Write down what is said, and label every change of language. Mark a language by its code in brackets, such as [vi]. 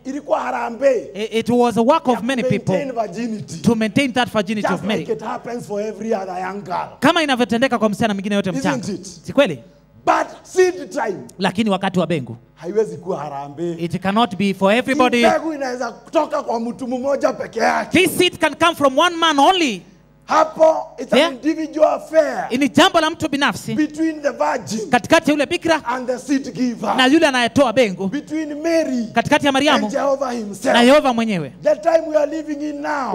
[sw] Ilikuwa harambee. [en] It was a work of many people. To maintain virginity. To maintain that virginity just of many. Just like it happens for every other young girl. [sw] Kama inavyotendeka kwa msichana mwingine yote mchanga. [en] Isn't it? [sw] Si kweli? [en] But seed time. [sw] Lakini wakati wa mbegu. Haiwezi kuwa harambee. [en] It cannot be for everybody. [sw] Mbegu inaweza kutoka kwa mtu mmoja peke yake. [en] This seed can come from one man only. Hapo it's an individual affair. [sw] Ni jambo la mtu binafsi. [en] Between the virgin. [sw] Katikati ya yule bikira. [en] And the seed giver. [sw] Na yule anayetoa mbegu. [en] Between Mary. [sw] Katikati ya Mariamu. [en] And Jehovah himself. [sw] Na Yehova mwenyewe. [en] The time we are living in now.